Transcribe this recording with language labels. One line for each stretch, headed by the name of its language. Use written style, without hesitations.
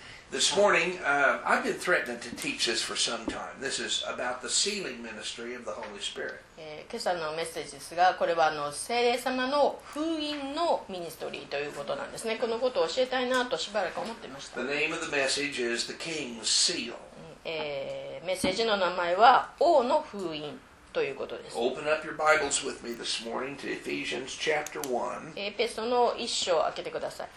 English: This morning, I've been threatening to teach this for some time. This is about the sealing ministry of the Holy Spirit.
Japanese: 今朝のメッセージですが、これは聖霊様の封印のミニストリーということなんですね。このことを教えたいなとしばらく思ってました。
English: The name of the message is the King's Seal.
Japanese: メッセージの名前は王の封印ということです。
English: Open up your Bibles with me this morning to Ephesians chapter 1.
Japanese: エペソの一章を開けてください。